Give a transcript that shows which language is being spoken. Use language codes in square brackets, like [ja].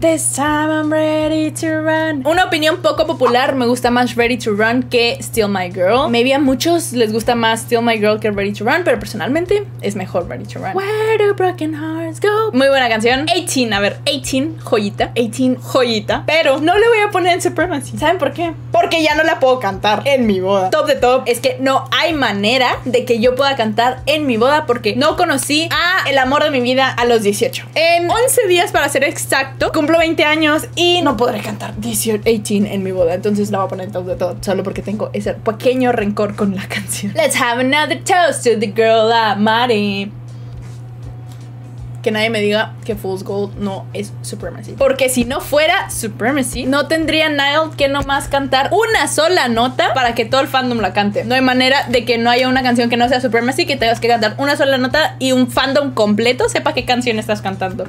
[en] This time I'm ready to run. [es] Una opinión poco popular, me gusta más Ready to Run que Steal My Girl. [en] Maybe [es] a muchos les gusta más Steal My Girl que Ready to Run, pero personalmente es mejor Ready to Run. [en] Where do broken hearts go? [es] Muy buena canción. 18, a ver, 18, joyita. Pero no le voy a poner en Supremacy. ¿Saben por qué? Porque ya no la puedo cantar en mi boda. Top de top. Es que no hay manera de que yo pueda cantar en mi boda porque no conocí a el amor de mi vida a los 18. En 11 días para ser exacto, cumplo 20 años y no podré cantar 18 en mi boda. Entonces la voy a poner top de top solo porque tengo ese pequeño rencor con la canción. [en] Let's have another toast to the girl I married. [es] Que nadie me diga que Fool's Gold no es Supremacy. Porque si no fuera Supremacy, no tendría Niall que nomás cantar una sola nota para que todo el fandom la cante. No hay manera de que no haya una canción que no sea Supremacy, que tengas que cantar una sola nota y un fandom completo sepa qué canción estás cantando.